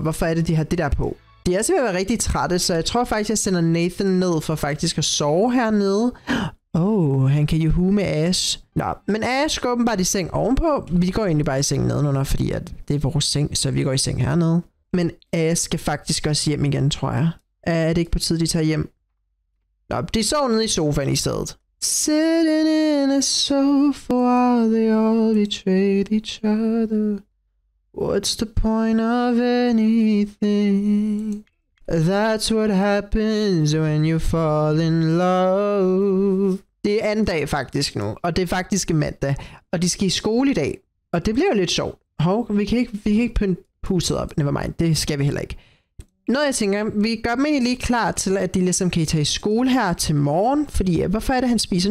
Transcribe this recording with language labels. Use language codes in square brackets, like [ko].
[da] Hvorfor er det, de har det der på? De er simpelthen rigtig trætte, så jeg tror faktisk, jeg sender Nathan ned for faktisk at sove hernede. Oh, han kan juhu med Ash. Nå, men Ash går åbenbart i seng ovenpå. Vi går egentlig bare i seng nedenunder, fordi at det er vores seng, så vi går i seng hernede. Men Ash skal faktisk også hjem igen, tror jeg. Er det ikke på tid, de tager hjem? Nå, de sover nede i sofaen i stedet. [en] Sitting in a sofa while they all betray each other. What's the point of anything? That's what happens when you fall in love. [da] Det er anden dag faktisk nu, og det er faktisk mandag, og de skal i skole i dag, og det bliver jo lidt sjovt. Hov, vi kan ikke pynte huset op, nevermind, det skal vi heller ikke. Noget jeg tænker, vi gør dem lige klar til, at de ligesom kan tage i skole her til morgen, fordi hvorfor er det, han spiser?